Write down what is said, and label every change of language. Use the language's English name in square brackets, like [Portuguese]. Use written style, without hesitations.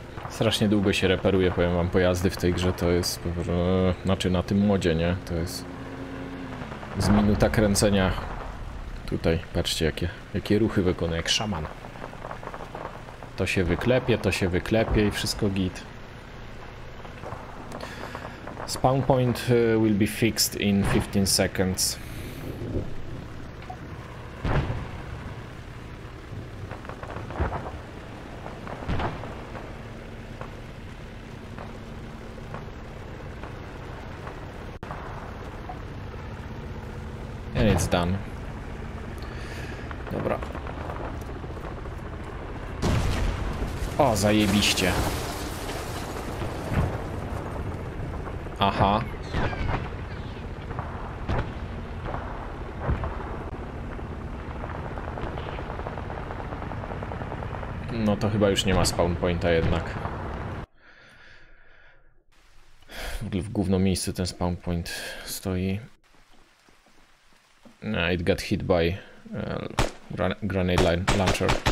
[Polish] Strasznie długo się reperuje, powiem wam, pojazdy w tej grze, to jest, znaczy na tym modzie, nie, to jest z minuta kręcenia. Tutaj, patrzcie, jakie ruchy wykonuje, jak szaman. To się wyklepie i wszystko git. [English] Spawn point will be fixed in 15 seconds. [Polish] Done. Dobra. O, zajebiście. Aha. No to chyba już nie ma spawn pointa jednak. W ogóle w gówno miejscu ten spawn point stoi. [English] It got hit by grenade launcher.